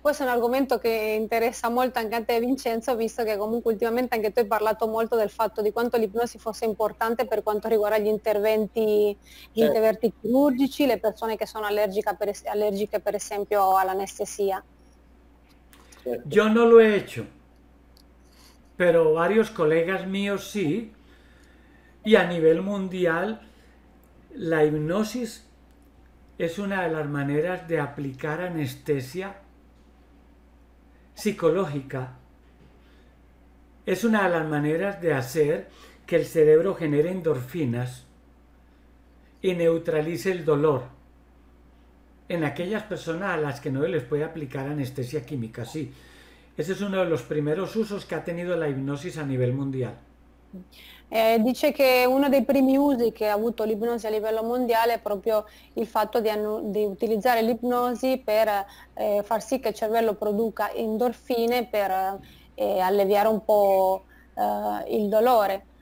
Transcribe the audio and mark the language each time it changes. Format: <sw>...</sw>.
<it>Questo è un argomento che interessa molto anche a te, Vincenzo, visto che comunque ultimamente anche tu hai parlato molto del fatto di quanto l'ipnosi fosse importante per quanto riguarda gli interventi chirurgici, le persone che sono allergiche per esempio all'anestesia. Io</it> <es>non lo he hecho. Pero varios colegas míos sí, y a nivel mundial la hipnosis es una de las maneras de aplicar anestesia psicológica. Es una de las maneras de hacer que el cerebro genere endorfinas y neutralice el dolor en aquellas personas a las que no les puede aplicar anestesia química, sí. Ese es uno de los primeros usos que ha tenido la hipnosis a nivel mundial.</es> <it>Dice che uno dei primi usi che ha avuto l'ipnosi a livello mondiale è proprio il fatto di utilizzare l'ipnosi per far sì che il cervello produca endorfine per alleviare un po' il dolore.</it>